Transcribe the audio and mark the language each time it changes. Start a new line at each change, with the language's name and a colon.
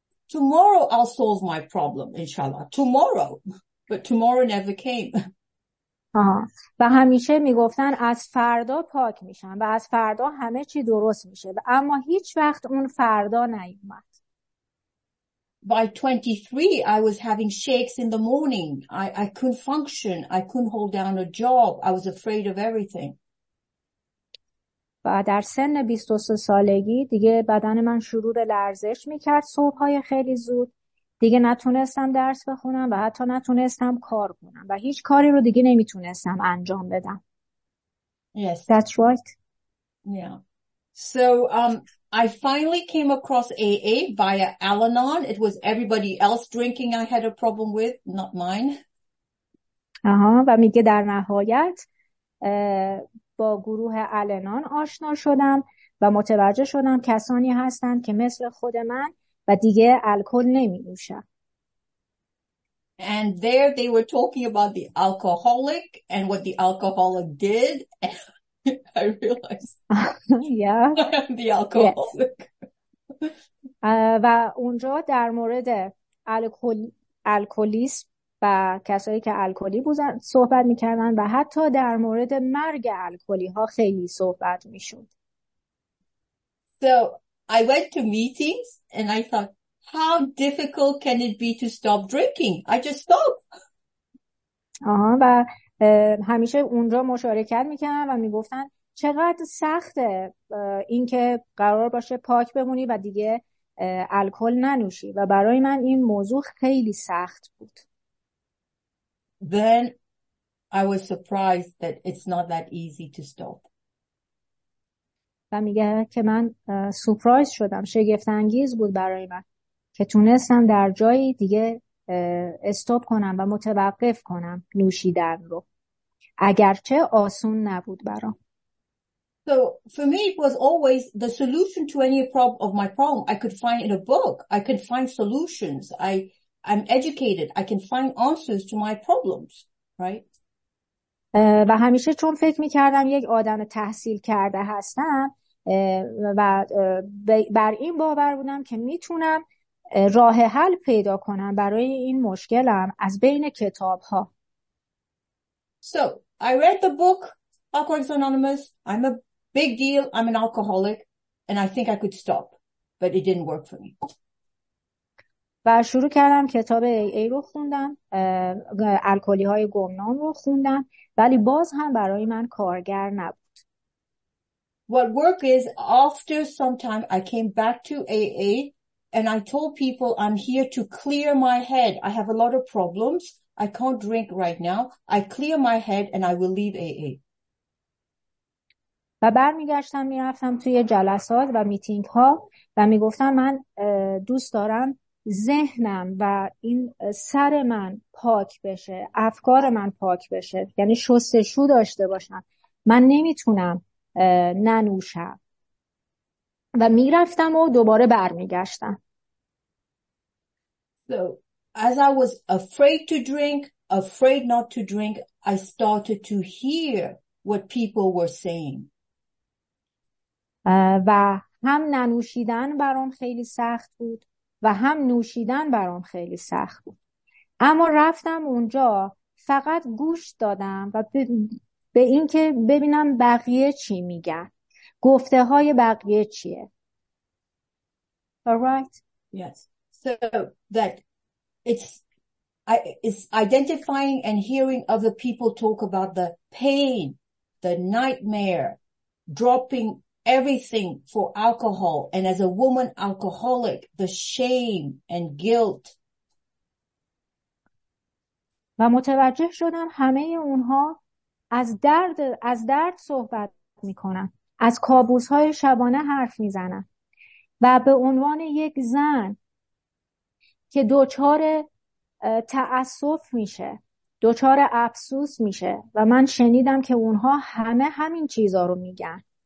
English: Tomorrow I'll solve my problem, inshallah. Tomorrow. But tomorrow never came.
Persian: و همیشه میگفتن از فردا پاک میشن و از فردا همه چی درست میشه، اما هیچ وقت اون فردا نیومد.
English: By 23 I was having shakes in the morning. I couldn't function. I couldn't hold down a job. I was afraid of everything.
Persian: و در سن 23 سالگی دیگه بدن من شروع به لرزش میکرد صبحهای خیلی زود. دیگه نتونستم درس بخونم و حتی نتونستم کار کنم و هیچ کاری رو دیگه نمیتونستم انجام بدم.
English: Yes. That's right. Yeah. So I finally came across AA via Al-Anon. It was everybody else drinking I had a problem with, not mine.
Persian: و میگه در نهایت با گروه آل‌آنون آشنا شدم و متوجه شدم کسانی هستند که مثل خود من و دیگه الکل نمی نوشن.
English: And there they were talking about the alcoholic and what the alcoholic did. I realized yeah. I'm the alcoholic. Yes.
Persian: و اونجا در مورد الکلیسم و کسایی که الکلی بودن صحبت میکردن و حتی در مورد مرگ الکلی ها خیلی صحبت میشد.
English: So I went to meetings and I thought, how difficult can it be to stop drinking? I just stopped.
Persian: آها و همیشه اونجا مشارکت میکنن و میگفتن چقدر سخته این که قرار باشه پاک بمونی و دیگه الکل ننوشی و برای من این موضوع خیلی سخت بود.
English: Then I was surprised that it's not that easy to stop.
Persian: و میگه که من سورپرایز شدم، شگفت انگیز بود برای من که تونستم در جایی دیگه استوب کنم و متوقف کنم نوشیدن رو، اگرچه آسون نبود برام.
English: So for me it was always the solution to any problem of my problem I could find in a book. I could find solutions. I'm educated. I can find answers to my problems, right?
Persian: و همیشه چون فکر میکردم یک آدم تحصیل کرده هستم و بر این باور بودم که میتونم راه حل پیدا کنم برای این مشکلم از بین کتاب ها.
English: So, I read the book, Alcoholics Anonymous. I'm a big deal. I'm an alcoholic. And I think I could stop. But it didn't work for me.
Persian: و شروع کردم کتاب AA رو خوندم، الکلی های گمنام رو خوندم، ولی باز هم برای من کارگر نبود.
English: What work is, after some time, I came back to AA. And I told people, I'm here to clear my head. I have a lot of problems. I can't drink right now. I clear my head and I will leave AA.
Persian: و برمیگشتم میرفتم توی جلسات و میتینگ ها و میگفتم من دوست دارم ذهنم و این سر من پاک بشه، افکار من پاک بشه، یعنی شستشو داشته باشم. من نمیتونم ننوشم. و میرفتم و دوباره برمیگشتم.
English: So, as I was afraid not to drink, I started to hear what people were saying.
Persian: و هم ننوشیدن برام خیلی سخت بود و هم نوشیدن برام خیلی سخت بود. اما رفتم اونجا فقط گوش دادم و به این که ببینم بقیه چی میگن. گفته های بقیه چیه. Alright.
English: Yes. So that it's identifying and hearing other people talk about the pain, the nightmare, dropping everything for alcohol, and as a woman alcoholic, the shame and guilt.
Persian: و متوجه شدم همه اونها از درد صحبت میکنن، از کابوس های شبانه حرف میزنن و به عنوان یک زن که دچار تأسف میشه، دچار افسوس میشه و من شنیدم که اونها همه همین چیزا رو میگن.